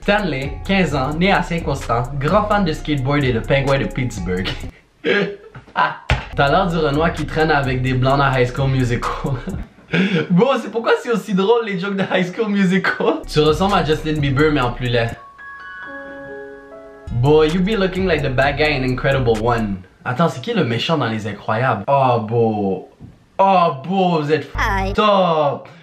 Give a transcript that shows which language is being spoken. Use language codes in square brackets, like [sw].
[fr] Stanley, 15 ans, né à Saint-Constant, grand fan de skateboard et le pingouin de Pittsburgh. T'as l'air du Renoir qui traîne avec des blancs dans High School Musical. Bro, c'est pourquoi c'est aussi drôle les jokes de High School Musical. Tu ressembles à Justin Bieber mais en plus laid. [en] Boy, you be looking like the bad guy in Incredible One. [fr] Attends, c'est qui le méchant dans Les Incroyables? Oh, bro. Oh, bro, vous êtes top.